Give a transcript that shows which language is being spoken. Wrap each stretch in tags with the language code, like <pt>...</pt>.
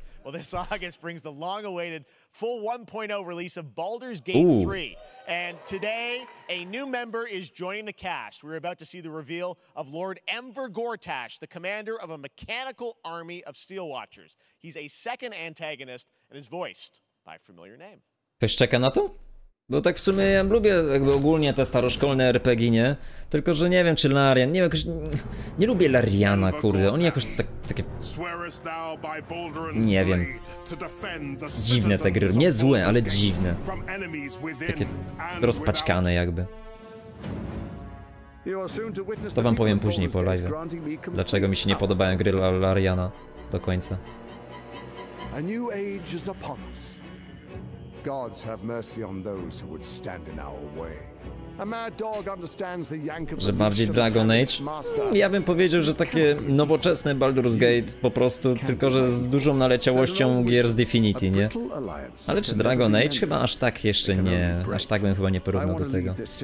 <en>Well, this August brings the long-awaited full 1.0 release of Baldur's Gate 3. And today, a new member is joining the cast. We're about to see the reveal of Lord Emvor Gortash, the commander of a mechanical army of Steel Watchers. He's a second antagonist and is voiced by a familiar name.</en> <pl>Ktoś czeka na to? Bo tak w sumie ja lubię jakby ogólnie te staroszkolne RPG, nie? Tylko, że nie wiem czy Larian, nie wiem jakoś... Nie lubię Lariana, kurde, oni jakoś tak, takie... Nie wiem. Dziwne te gry, nie złe, ale dziwne. Takie rozpaćkane jakby. To wam powiem później po live. Dlaczego mi się nie podobają gry Lariana do końca.</pl> <en>A new age is upon us. Gods have mercy on those who would stand in our way. A mad dog understands the yank of the</en> <pl>bardziej</pl> <en>Dragon Age.</en> <pl>Ja bym powiedział, że takie nowoczesne Baldur's Gate po prostu, tylko że z dużą naleciałością gier z Divinity, nie? Ale czy Dragon Age chyba aż tak jeszcze nie, aż tak bym chyba nie porównał do tego.</pl>